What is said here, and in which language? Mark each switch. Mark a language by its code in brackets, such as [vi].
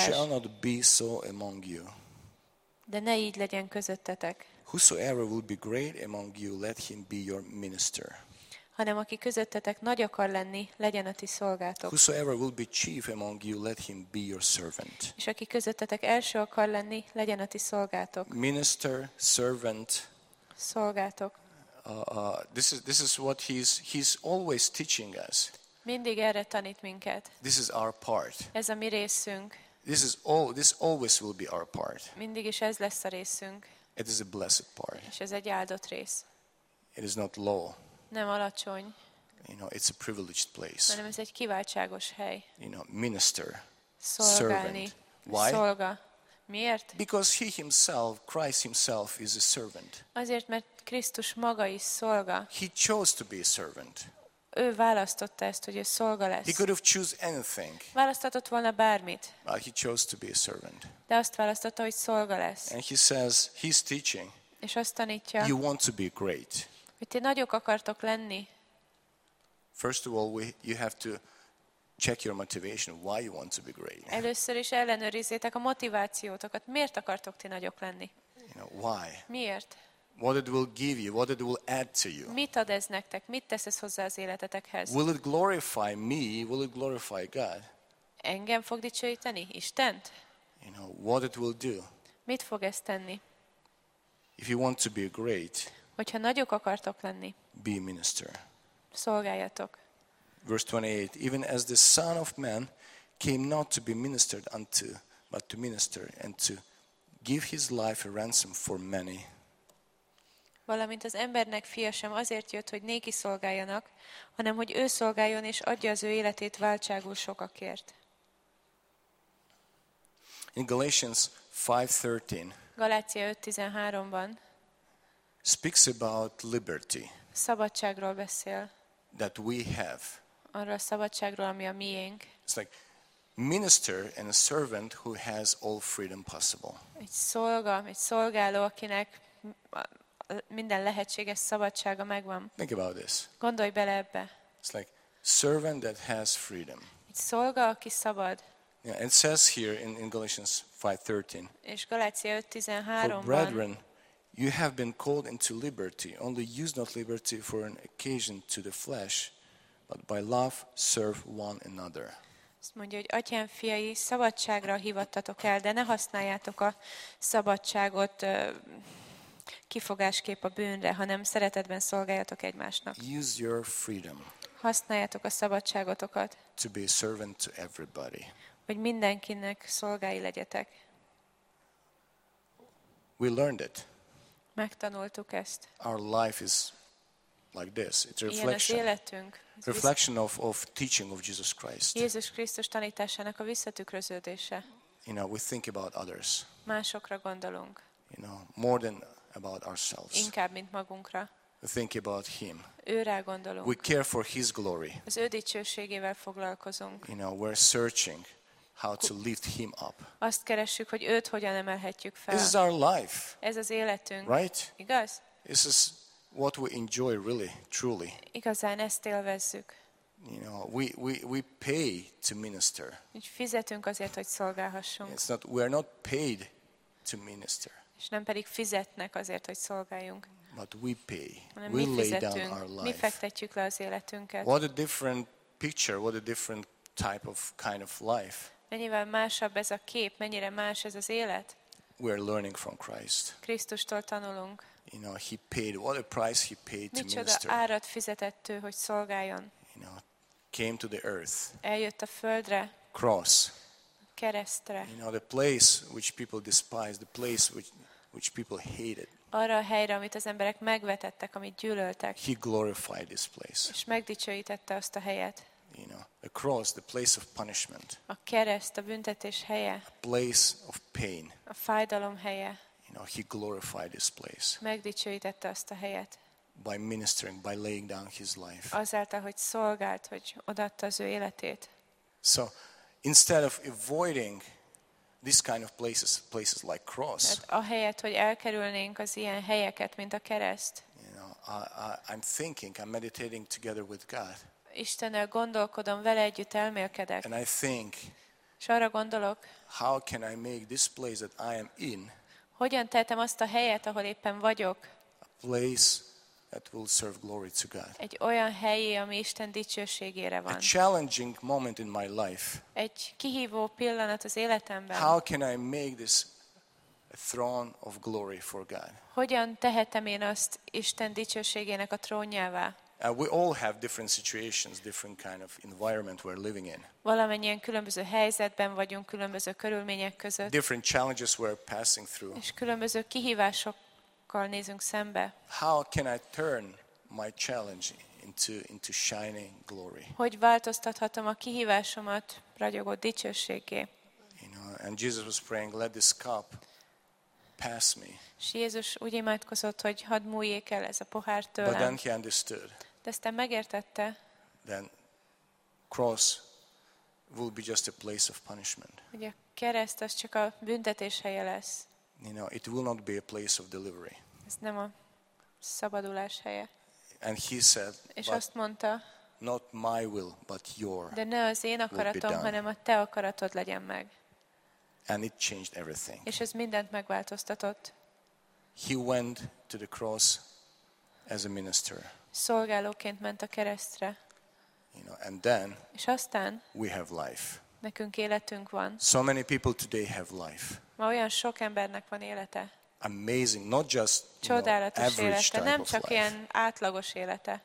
[en] But it shall not be so among you. [hu] De ne így legyen közöttetek. [en] Whosoever will be great among you, let him be your minister. [hu] Hanem aki közöttetek nagy akar lenni, legyen a ti szolgátok. [en] Whosoever will be chief among you, let him be your servant. [hu] És aki közöttetek első akar lenni, legyen a ti szolgátok. [en] Minister, servant. [hu] Szolgátok. [en] This is what he's always teaching us. [hu] Mindig erre tanít minket. [en] This is our part. [hu] Ez a mi részünk. [en] This always will be our part. [hu] Mindig is ez lesz a részünk. [en] It is a blessed part. [hu] És ez egy áldott rész. [en] It is not low. [hu] Nem alacsony. [en] You know, it's a privileged place. [hu] Hanem ez egy kiváltságos hely. [en] You know, minister. [hu] Szolgálni. [en] Servant. Why? [hu] Szolga. Miért? [en] Because he himself, Christ himself is a servant. [hu] Azért, mert Krisztus maga is szolga. [en] He chose to be a servant. [hu] Ő választotta ezt, hogy ő szolga lesz. [en] He could have choose anything. [hu] Választhatott volna bármit. [en] But he chose to be a servant. [hu] De azt választotta, hogy szolga lesz. [en] And he says, he's teaching. [hu] És azt tanítja. [en] You want to be great. [hu] Hogy ti nagyok akartok lenni. [en] First of all, you have to check your motivation, why you want to be great. [hu] Először is ellenőrizzétek a motivációtokat, miért akartok ti nagyok lenni. [en] You know, why? [hu] Miért? [en] What it will give you, what it will add to you. [hu] Mit ad ez nektek, mit tesz ez hozzá az életetekhez? [en] Will it glorify me, will it glorify God? [hu] Engem fog dicsőíteni, Istent? [en] You know, what it will do. [hu] Mit fog ez tenni? [en] If you want to be great, [hu] hogyha nagyok akartok lenni, [en] be a minister. [hu] Szolgáljatok. [en] Verse 28, even as the Son of Man came not to be ministered unto, but to minister and to give his life a ransom for many. [hu] Valamint az embernek fia sem azért jött, hogy néki szolgáljanak, hanem hogy ő szolgáljon és adja az ő életét váltságul sokakért. [en] In Galatians 5:13, [hu] Galácia 5:13-ban [en] speaks about liberty. [hu] Szabadságról beszél. [en] That we have. [hu] Arra a szabadságról, ami a miénk. [en] It's like minister and a servant who has all freedom possible. [hu] Egy szolga, egy szolgáló, akinek minden lehetséges szabadsága megvan. [en] Think about this. [hu] Gondolj bele ebbe. [en] It's like servant that has freedom. [hu] Egy szolga, aki szabad. [en] Yeah, it says here in Galatians 5:13. [hu] És Galácia 5:13-ban. [en] For brethren, you have been called into liberty. Only use not liberty for an occasion to the flesh, but by love serve one another. [hu] Azt mondja, hogy atyám fiai, szabadságra hívattatok el, de ne használjátok a szabadságot kifogásképp a bűnre, hanem szeretetben szolgáljatok egymásnak. [en] Use your freedom. [hu] Használjátok a szabadságotokat. [en] To be a servant to everybody. [hu] Hogy mindenkinek szolgái legyetek. [en] We learned it. [hu] Megtanultuk ezt. [en] Our life is like this. It's a reflection. [hu] Ilyen az életünk. [en] Reflection of teaching of Jesus Christ. [hu] Jézus Krisztus tanításának a visszatükröződése. [en] You know, we think about others. [hu] Másokra gondolunk. [en] You know, more than about ourselves. [hu] Inkább mint magunkra. [en] We think about him. [hu] Ő rá gondolunk. [en] We care for his glory. [hu] Az ő dicsőségével foglalkozunk. [en] You know, we're searching how to lift him up. [hu] Azt keressük, hogy őt hogyan emelhetjük fel. [en] This is our life. [hu] Ez az életünk. [en] Right? [hu] Igaz? [en] This is what we enjoy really, truly. [hu] Igazán ezt élvezzük. [en] You know, we pay to minister. [hu] Úgy fizetünk azért, hogy szolgálhassunk. [en] It's not, we are not paid to minister. [hu] És nem pedig fizetnek azért, hogy szolgáljunk. [en] But we pay. [hu] Hanem [en] we lay [hu] fizetünk. [en] Down our life. [hu] Mi fektetjük le az életünket. [en] What a different picture, what a different type of kind of life. [hu] Mennyivel másabb ez a kép, mennyire más ez az élet. [en] We are learning from Christ. [hu] Krisztustól tanulunk. [en] You know, he paid, what a price he paid to minister. [hu] Micsoda árat fizetett ő, hogy szolgáljon. [en] You know, came to the earth. [hu] Eljött a földre. [en] Cross. [hu] Keresztre. [en] You know, the place which people despised, the place which people hated. [hu] Arra a helyre, amit az emberek megvetettek, amit gyűlöltek. [en] He glorified this place. [hu] És megdicsőítette azt a helyet. [en] You know, a cross, the place of punishment. [hu] A kereszt, a büntetés helye. [en] A place of pain. [hu] A fájdalom helye. [en] You know, he glorified this place. [hu] Megdicsőítette azt a helyet. [en] By ministering, by laying down his life. [hu] Azáltal, hogy szolgált, hogy odaadta az ő életét. [en] So, instead of avoiding this kind of places like cross. [hu] A helyet, hogy elkerülnénk az ilyen helyeket, mint a kereszt. [en] You know, I'm thinking, I'm meditating together with God. [hu] Istennel gondolkodom, vele együtt elmélkedek. [en] And I think. [hu] És arra gondolok. [en] How can I make this place that I am in? [hu] Hogyan tehetem azt a helyet, ahol éppen vagyok? [en] A place that will serve glory to God. [hu] Egy olyan helyi, ami Isten dicsőségére van. [en] A challenging moment in my life. [hu] Egy kihívó pillanat az életemben. [en] How can I make this a throne of glory for God? [hu] Hogyan tehetem én azt Isten dicsőségének a trónjává? [en] We all have different situations, different kind of environment we're living in. [hu] Valamennyien különböző helyzetben vagyunk, különböző körülmények között. [en] Different challenges we're passing through. [hu] És különböző kihívásokkal nézünk szembe. [en] How can I turn my challenge into shining glory? [hu] Hogy változtathatom a kihívásomat ragyogó dicsőségé? [en] You know, and Jesus was praying, let this cup pass me. [hu] És Jézus úgy imádkozott, hogy hadd múljék el ez a pohár tőlem. [en] But then he understood. [hu] De aztán megértette. [en] Then cross will be just a place of punishment. [hu] Ugye a kereszt az csak a büntetés helye lesz. [en] You know, it will not be a place of delivery. [hu] Ez nem a szabadulás helye. [en] And he said, [hu] és azt mondta, [en] not my will, but your. [hu] De ne az én akaratom, hanem a te akaratod legyen meg. [en] And it changed everything. [hu] És ez mindent megváltoztatott. [en] He went to the cross as a minister. [hu] Szolgálóként ment a keresztre. [en] You know, and then. [hu] És aztán. [en] We have life. [hu] Nekünk életünk van. [en] So many people today have life. [hu] Ma olyan sok embernek van élete. [en] Amazing, not just. [hu] Csodálatos élete, nem csak ilyen átlagos élete.